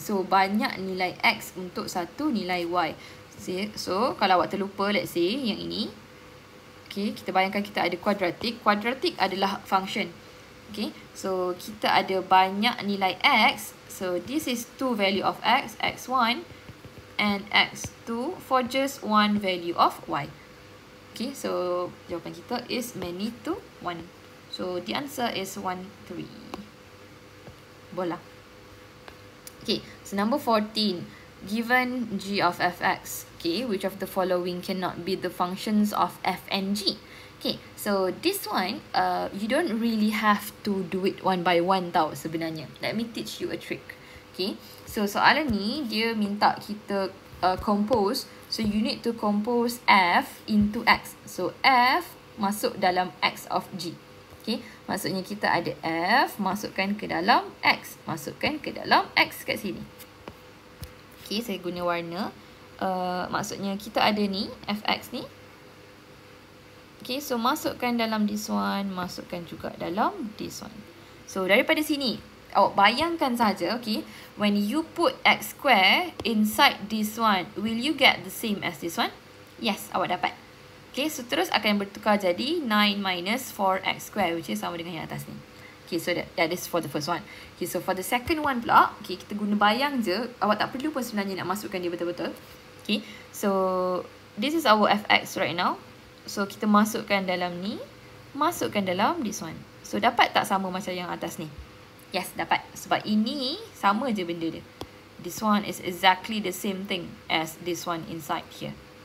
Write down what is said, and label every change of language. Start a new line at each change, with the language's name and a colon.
Malay: So banyak nilai x untuk satu nilai y. So kalau awak terlupa, let's say yang ini. Okay, kita bayangkan kita ada quadratic. Quadratic adalah function. Okay, so kita ada banyak nilai x.
English: So this is two value of x, x1 and x2 for just one value of y. Okay, so
Malay: jawapan kita
English: is many to one. So the answer is 1, 3. Bola. Okay, so number 14. Given g of fx, okay, which of the following cannot be the functions of f and g? Okay, so this one, you don't really have to do it one by one
Malay: tau sebenarnya.
English: Let me teach you a trick. Okay, so
Malay: soalan ni, dia minta kita compose.
English: So you need to compose f into x.
Malay: So f masuk dalam x of g. Okay, maksudnya kita ada f, masukkan ke dalam x. Masukkan ke dalam x kat sini. Okay, saya guna warna. Maksudnya kita ada ni, fx ni. Okay, so masukkan dalam
English: this one,
Malay: masukkan juga dalam this one.
English: So
Malay: daripada sini, awak bayangkan sahaja,
English: okay, when you put x square inside this one, will you get the same as this one? Yes,
Malay: awak dapat. Okay, so terus akan bertukar jadi 9 minus 4 x square,
English: which is
Malay: sama dengan yang atas ni.
English: Okay, so that is for the first one. Okay, so for the second one pula, okay,
Malay: kita guna bayang je. Awak tak perlu pun sebenarnya nak masukkan dia betul-betul.
English: Okay, so this is our fx right now.
Malay: So kita masukkan dalam ni, masukkan dalam
English: this one.
Malay: So dapat tak sama macam yang atas ni? Yes, dapat. Sebab ini sama je benda dia.
English: This one is exactly the same thing as this one inside here.